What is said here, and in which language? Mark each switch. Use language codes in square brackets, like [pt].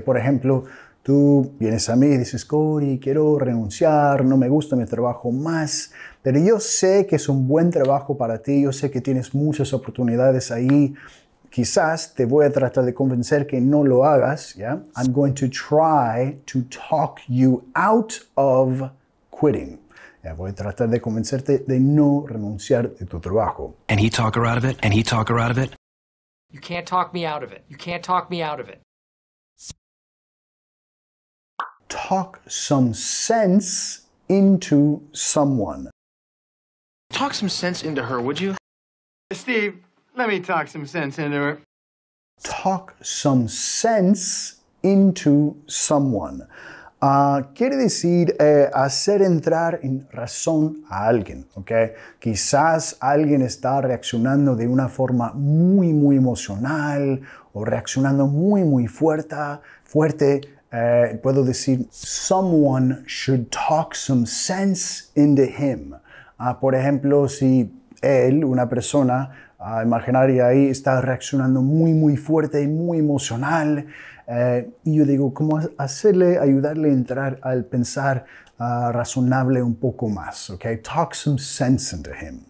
[es] Por ejemplo, tú vienes a mí y dices, Cody, quiero renunciar, no me gusta mi trabajo más, pero yo sé que es un buen trabajo para ti, yo sé que tienes muchas oportunidades ahí. Quizás te voy a tratar de convencer que no lo hagas, ¿ya? [en] I'm going to try to talk you out of quitting. [es] ¿Ya? Voy a tratar de convencerte de no renunciar de tu trabajo. [en] And he talk her out of it? And he talk her out of it? You can't talk me out of it. You can't talk me out of it. Talk some sense into someone. Talk some sense into her, would you? Steve. Let me talk some sense into her. Talk some sense into someone. [es] Quiere decir hacer entrar en razón a alguien, ¿ok? Quizás alguien está reaccionando de una forma muy, muy emocional o reaccionando muy, muy fuerte. Puedo decir, [en] someone should talk some sense into him. [es] Por ejemplo, si él, una persona, imaginaría ahí, está reaccionando muy, muy fuerte y muy emocional. Y yo digo, ¿cómo hacerle, ayudarle a entrar al pensar razonable un poco más? [en] Okay? Talk some sense into him.